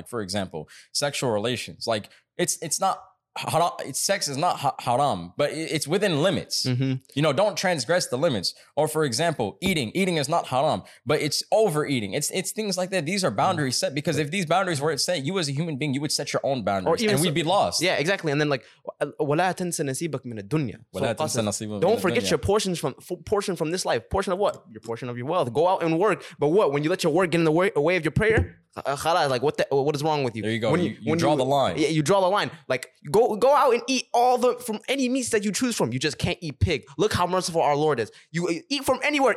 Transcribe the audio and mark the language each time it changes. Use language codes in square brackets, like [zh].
[en] Like, for example, sexual relations. Like, it's not... haram. It's sex is not haram, but it's within limits. Mm-hmm. You know, don't transgress the limits. Or for example, eating is not haram, but it's overeating. It's things like that. These are boundaries set, because if these boundaries weren't set, you as a human being, you would set your own boundaries, and we'd be lost. Yeah, exactly. And then like, [ar] وَلَا تَنْسَ نَصِيبَكَ مِنَ الدُّنْيَا. [en] Don't forget your portion from this life. Portion of what? Your portion of your wealth. Go out and work. But what? When you let your work get in the way of your prayer, like what is wrong with you? There you go. When you draw the line. Yeah, you draw the line. Like go out and eat all the from any meats that you choose from. You just can't eat pig. Look how merciful our Lord is. You eat from anywhere.